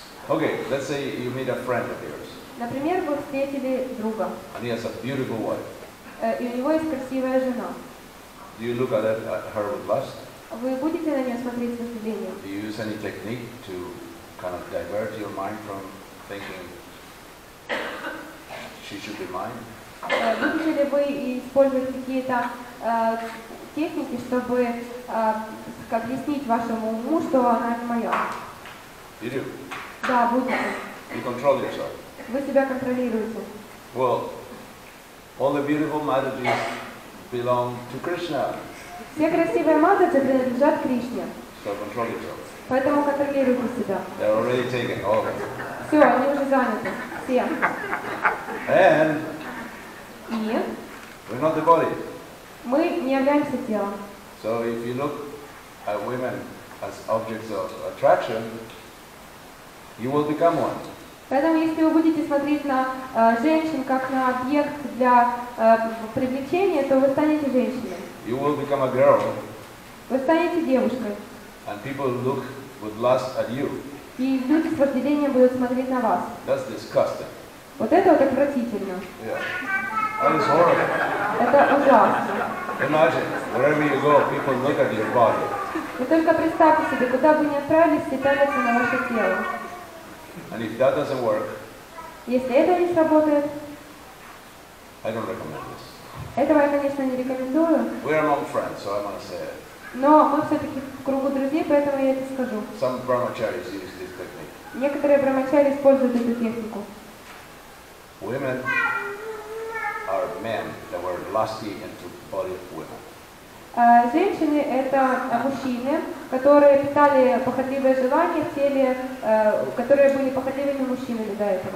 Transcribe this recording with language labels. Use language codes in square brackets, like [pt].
[en] Okay, let's say you meet a friend of yours. [ru] Например, вы встретили друга. [en] And he has a beautiful wife. [ru] И у него есть красивая жена. [en] Do you look at her with lust? [ru] Вы будете на неё смотреть с вожделением? [en] Do you use any technique to kind of divert your mind from thinking she should be mine? [ru] Будете ли вы использовать какие-то техники, чтобы объяснить вашему уму, что она не моя? [en] You do. [ru] Да, будете. [en] You control yourself. [ru] Вы себя контролируете. [en] Well, all the beautiful Matajis belong to Krishna. [ru] Все красивые матрицы принадлежат Кришне. [en] So control yourself. [ru] Поэтому контролируйте себя. [en] They're already taken, all of them. [ru] Все, они уже заняты. Все. [en] And we're not the body. [ru] Мы не являемся телом. [en] So if you look at women as objects of attraction, you will become one. [ru] Поэтому если вы будете смотреть на женщин как на объект для привлечения, то вы станете женщиной. [en] You will become a girl. [ru] Вы станете девушкой. [en] And people look with lust at you. [ru] И люди с вожделением будут смотреть на вас. [en] That's disgusting. [ru] Вот это вот отвратительно. [en] Yeah. That is horrible. [ru] Это ужасно. [en] Imagine, wherever you go, people look at your body. [ru] Вы только представьте себе, куда бы вы ни отправились, все пялятся на ваше тело. [en] And if that doesn't work, [ru] если это не сработает, [en] I don't recommend this. [ru] Этого я, конечно, не рекомендую. [en] We are among friends, so I must say it. [ru] Но мы все-таки в кругу друзей, поэтому я это скажу. [en] Some brahmacharis use this technique. [ru] Некоторые брахмачари используют эту технику. [en] Women are men that were lusty into the body of women. [ru] Женщины — это мужчины, которые питали похотливые желания в теле, которые были похотливыми мужчинами до этого.